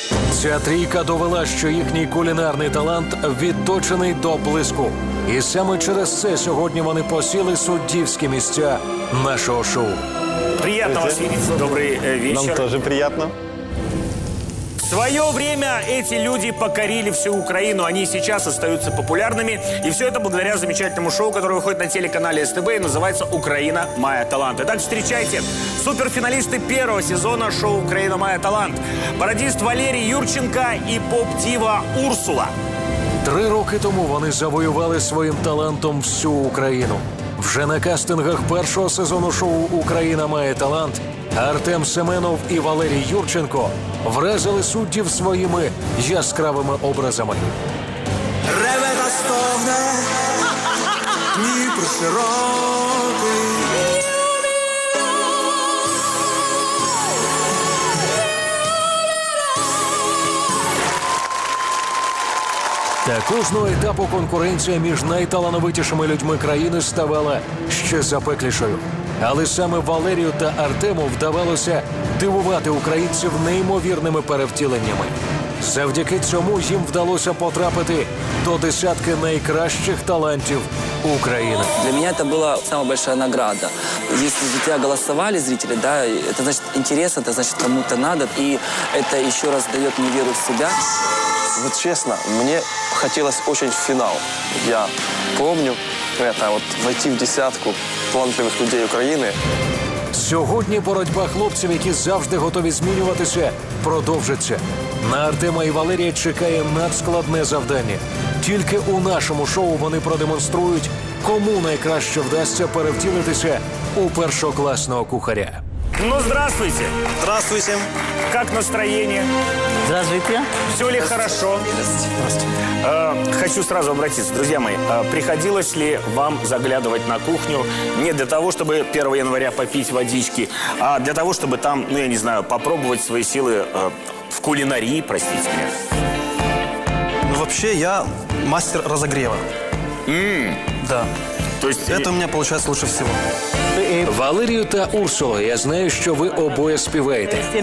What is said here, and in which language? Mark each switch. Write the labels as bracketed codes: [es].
[uk] Ця трійка довела, що їхній кулінарний талант відточений до блиску. І саме через це сьогодні вони посіли суддівські місця нашого шоу. Приємно вас вітати. Добрий вечір. Нам теж приємно. [ru] В свое время эти люди покорили всю Украину. Они сейчас остаются популярными. И все это благодаря замечательному шоу, которое выходит на телеканале СТБ и называется «Украина. Моя талант». Итак, встречайте суперфиналисты первого сезона шоу «Украина. Моя талант». Пародист Валерий Юрченко и поп-дива Урсула. [uk] 3 роки тому вони завоювали своїм талантом всю Україну. Вже на кастингах першого сезону шоу «Україна. Має талант» Артем Семенов і Валерій Юрченко вразили суддів своїми яскравими образами. Реве та стогне, Дніпро широкий. Та кожного етапу конкуренція між найталановитішими людьми країни ставала ще запеклішою. Але саме Валерію та Артему вдавалося дивувати українців неймовірними перевтіленнями. Завдяки цьому їм вдалося потрапити до 10 найкращих талантів України. Для мене це була найбільша награда. Якщо за тебе голосували зрителі, да, це значить інтересно, це значить [ru] кому-то [uk] треба. І це ще раз дає мені віру в себе. [ru] Вот честно, мне хотелось очень в финал. Я помню это, вот войти в десятку талантливых людей Украины. [uk] Сьогодні боротьба хлопців, які завжди готові змінюватися, продовжиться. На Артема і Валерія чекає надскладне завдання. Тільки у нашому шоу вони продемонструють, кому найкраще вдасться перевтілитися у першокласного кухаря. [ru] Ну, здравствуйте! Здравствуйте! Как настроение? Здравствуйте! Все ли хорошо? Здравствуйте! Хочу сразу обратиться, друзья мои, приходилось ли вам заглядывать на кухню не для того, чтобы 1 января попить водички, а для того, чтобы там, ну, я не знаю, попробовать свои силы в кулинарии, простите меня? Ну, вообще, я мастер разогрева. Да. То есть... Это у меня получается лучше всего. [uk] Валерію та Урсуло, я знаю, що ви обоє співаєте.